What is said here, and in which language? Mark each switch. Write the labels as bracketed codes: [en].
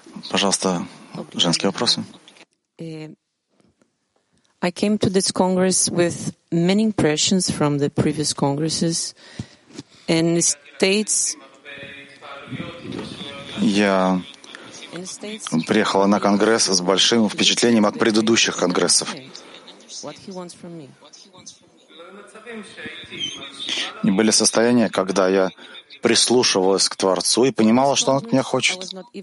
[ru] Пожалуйста, женские вопросы. [en] I came to this congress with many impressions from the previous congresses in the States. [ru] Я приехала на конгресс с большим впечатлением от предыдущих конгрессов. Были состояния, когда я прислушивалась к Творцу и понимала, что Он от меня хочет.